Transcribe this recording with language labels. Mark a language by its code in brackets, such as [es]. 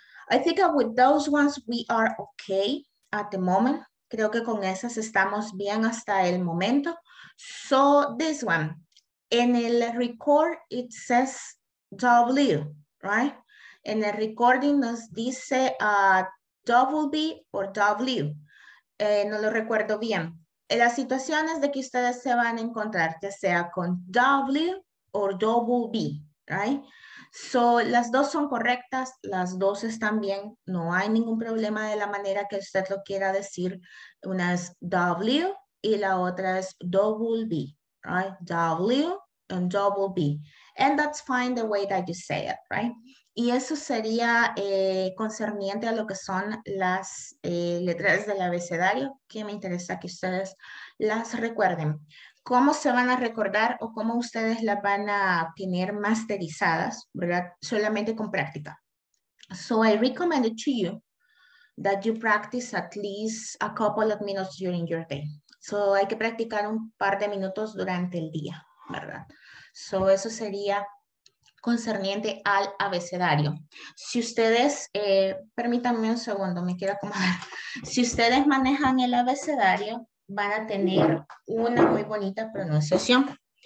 [en] I think with those ones we are okay at the moment. [es] Creo que con esas estamos bien hasta el momento. [en] So, this one. En el record, it says W, right? [es] En el recording nos dice W or W. No lo recuerdo bien. En las situaciones de que ustedes se van a encontrar, ya sea con W or double B, right? So, las dos son correctas, las dos están bien, no hay ningún problema de la manera que usted lo quiera decir. Una es W y la otra es double B, right? [en] W and double B. And that's fine the way that you say it, right? [es] Y eso sería concerniente a lo que son las letras del abecedario, que me interesa que ustedes las recuerden. ¿Cómo se van a recordar o cómo ustedes las van a tener masterizadas, verdad? Solamente con práctica. [en] So I recommend it to you that you practice at least a couple of minutes during your day. [es] So hay que practicar un par de minutos durante el día, ¿verdad? So eso sería concerniente al abecedario. Si ustedes, permítanme un segundo, me quiero acomodar. Si ustedes manejan el abecedario, van a tener una muy bonita pronunciación.